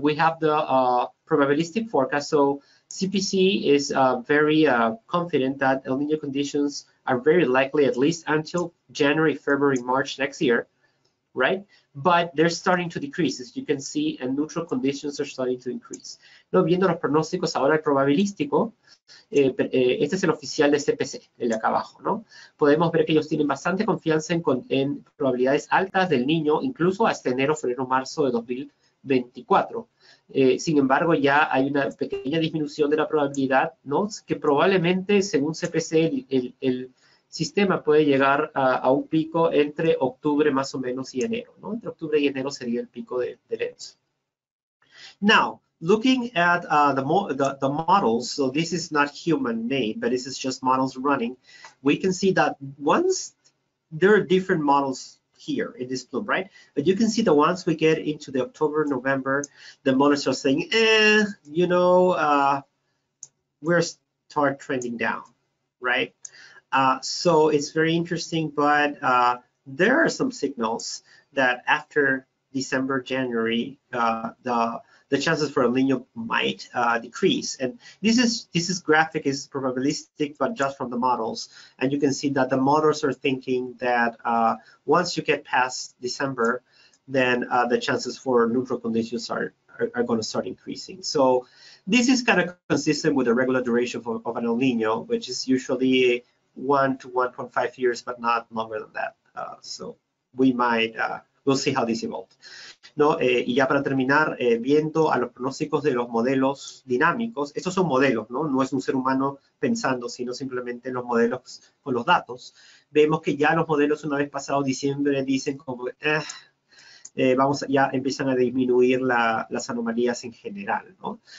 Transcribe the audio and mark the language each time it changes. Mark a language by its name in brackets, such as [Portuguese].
[English] We have the probabilistic forecast. So CPC is very confident that El Niño conditions are very likely at least until January, February, March next year, right? But they're starting to decrease, as you can see, and neutral conditions are starting to increase. [Spanish] No, viendo los pronósticos ahora el probabilístico, este es el oficial de CPC, el de acá abajo, ¿no? Podemos ver que ellos tienen bastante confianza en probabilidades altas del niño, incluso hasta enero, febrero, marzo de 2024. Sin embargo, ya hay una pequeña disminución de la probabilidad, ¿no? Que probablemente, según CPC, el sistema puede llegar a un pico entre octubre más o menos y enero, ¿no? Entre octubre y enero sería el pico de ENSO. [English] Now, looking at the models, so this is not human made, but this is just models running, we can see that once there are different models here in this plume, right? But you can see that once we get into the October, November, the models are saying, you know, we're start trending down, right? So it's very interesting, but there are some signals that after December, January, the chances for El Niño might decrease. And this graphic is probabilistic, but just from the models. And you can see that the models are thinking that once you get past December, then the chances for neutral conditions are going to start increasing. So this is kind of consistent with the regular duration of an El Niño, which is usually 1 to 1.5 years, but not longer than that. So we might, we'll see how this evolves. [Spanish] No, y ya para terminar, viendo a los pronósticos de los modelos dinámicos, estos son modelos, ¿no? No es un ser humano pensando, sino simplemente los modelos con los datos. Vemos que ya los modelos, una vez pasado diciembre, dicen como, ya empiezan a disminuir las anomalías en general, ¿no?